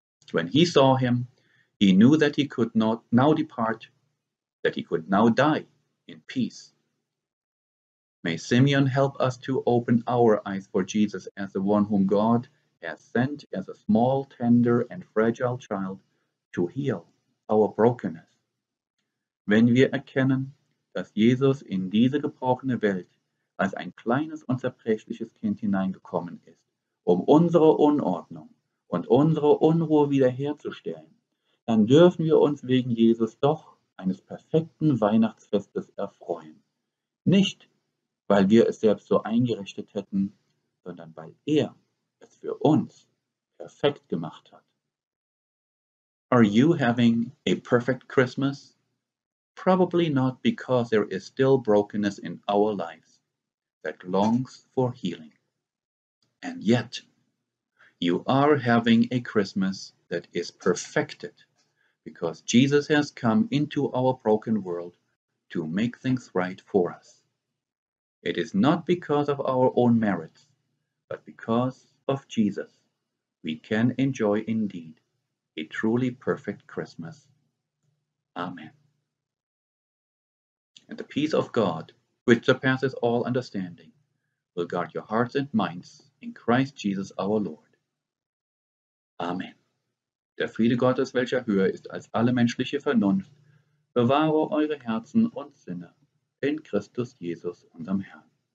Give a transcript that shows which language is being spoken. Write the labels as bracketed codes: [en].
[en] When he saw him, he knew that he could not now depart, that he could now die in peace. May Simeon help us to open our eyes for Jesus as the one whom God has sent as a small, tender, and fragile child to heal our brokenness. [de] Wenn wir erkennen, dass Jesus in diese gebrochene Welt als ein kleines und zerbrechliches Kind hineingekommen ist, um unsere Unordnung und unsere Unruhe wiederherzustellen, dann dürfen wir uns wegen Jesus doch eines perfekten Weihnachtsfestes erfreuen. Nicht, weil wir es selbst so eingerichtet hätten, sondern weil er es für uns perfekt gemacht hat. [en] Are you having a perfect Christmas? Probably not, because there is still brokenness in our lives that longs for healing. And yet, you are having a Christmas that is perfected, because Jesus has come into our broken world to make things right for us. It is not because of our own merits, but because of Jesus, we can enjoy indeed a truly perfect Christmas. Amen. And the peace of God, which surpasses all understanding, will guard your hearts and minds in Christ Jesus our Lord. Amen. [de] Der Friede Gottes, welcher höher ist als alle menschliche Vernunft, bewahre eure Herzen und Sinne in Christus Jesus, unserem Herrn.